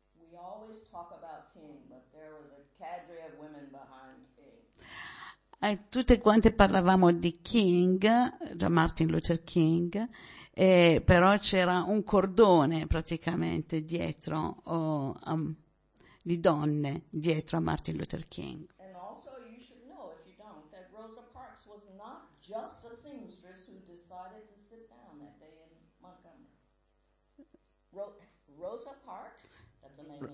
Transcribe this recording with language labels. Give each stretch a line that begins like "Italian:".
English: We always talk about King, but there was a cadre of women behind King.
Italian: Tutte quante parlavamo di King, di Martin Luther King, però c'era un cordone praticamente dietro di donne dietro a Martin Luther King.
English: And also you should know if you don't that Rosa Parks was not just a seamstress who decided to sit down that day in Montgomery.